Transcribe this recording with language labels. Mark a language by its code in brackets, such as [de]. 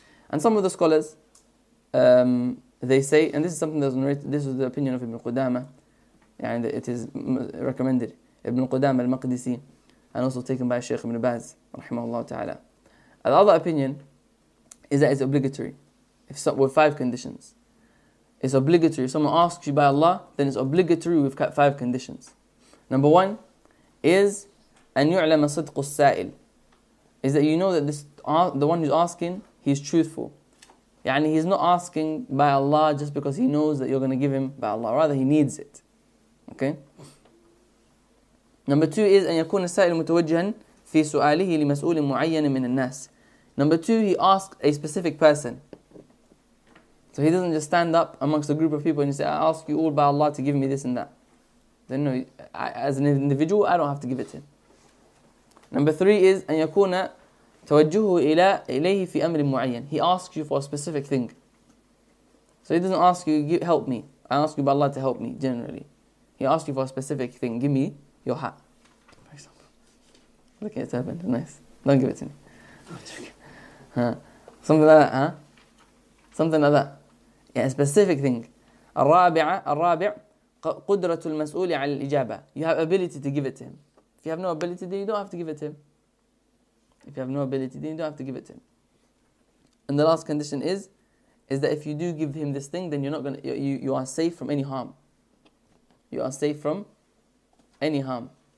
[en] And some of the scholars they say, and this is something that's narrated, this is the opinion of Ibn Qudama, and it is recommended Ibn Qudama al-Maqdisi, and also taken by Shaykh Ibn Baz rahimahullah ta'ala. The other opinion is that it's obligatory. With five conditions. It's obligatory. If someone asks you by Allah, then it's obligatory with five conditions. Number one is, [ar] أن يعلم صدق السائل. [en] Is that you know that this the one who's asking, he's truthful. يعني he's not asking by Allah just because he knows that you're going to give him by Allah. Rather, he needs it. Okay? Number two is, [ar] أن يكون السائل متوجها في سؤاله لمسؤول معين من الناس. [en] Number two, he asks a specific person. So he doesn't just stand up amongst a group of people and just say, I ask you all by Allah to give me this and that. Then no, as an individual, I don't have to give it to him. Number three is, [ar] أن يكون توجهه إليه في أمر معين. [en] He asks you for a specific thing. So he doesn't ask you, help me. I ask you by Allah to help me, generally. He asks you for a specific thing. Give me your hat, for example. Look at it, turban. Nice. Don't give it to me. Huh. Something like that, huh? Something like that. Yeah, a specific thing. [ar] الرابع قدرة المسؤول على الإجابة. [en] You have ability to give it to him. If you have no ability, then you don't have to give it to him. If you have no ability, then you don't have to give it to him. And the last condition is that if you do give him this thing, then you're not gonna you are safe from any harm. You are safe from any harm.